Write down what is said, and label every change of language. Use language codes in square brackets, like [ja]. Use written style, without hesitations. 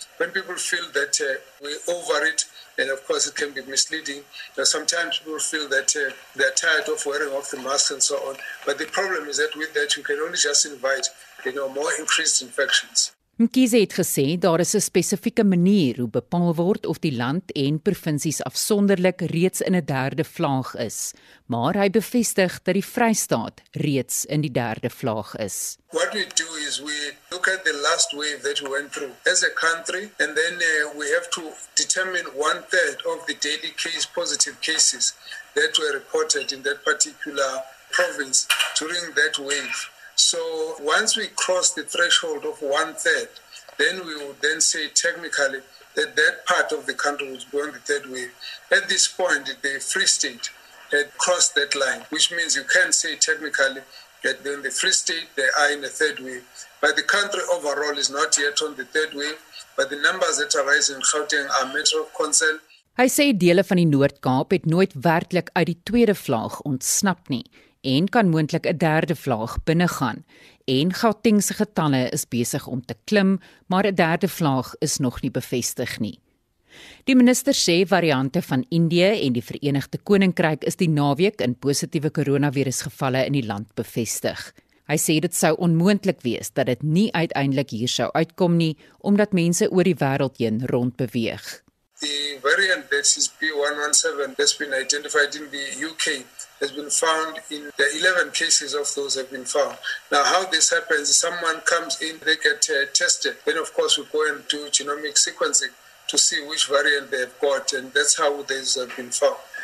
[en] When people feel that we over it, and of course it can be misleading. Sometimes people feel that they are tired of wearing off the mask and so on. But the problem is that with that you can only just invite, you know, more increased infections. [af] Mkhize het gesê daar is 'n spesifieke manier hoe bepaal word of die land en provinsies afsonderlik reeds in 'n derde vlaag is, maar hy bevestig dat die Vrystaat reeds in die derde vlaag is. [en] What we do is we look at the last wave that we went through as a country, and then we have to determine 1/3 of the daily case positive cases that were reported in that particular province during that wave. So once we cross the threshold of 1/3, then we will then say technically that that part of the country was going the third wave. At this point, the Free State had crossed that line, which means you can say technically that then the Free State, they are in the third wave. But the country overall is not yet on the third wave, but the numbers that are rising in Gauteng are a matter of concern. [af] Hy sê dele van die Noord-Kaap het nooit werklik uit die tweede vlaag ontsnap nie, en kan moontlik 'n derde vlaag binnegaan. En Gauteng se getalle is besig om te klim, maar 'n derde vlaag is nog nie bevestig nie. Die minister sê variante van Indië en die Verenigde Koninkryk is die naweek in positiewe koronavirusgevalle in die land bevestig. Hy sê dit sou onmoontlik wees dat dit nie uiteindelik hier sou uitkom nie, omdat mense oor die wêreld heen rondbeweeg. [en] The variant that is B117 that's been identified in the UK has been found in the 11 cases of those have been found. Now, how this happens, someone comes in, they get tested. Then, of course, we go and do genomic sequencing to see which variant they've got, and that's how these have been found.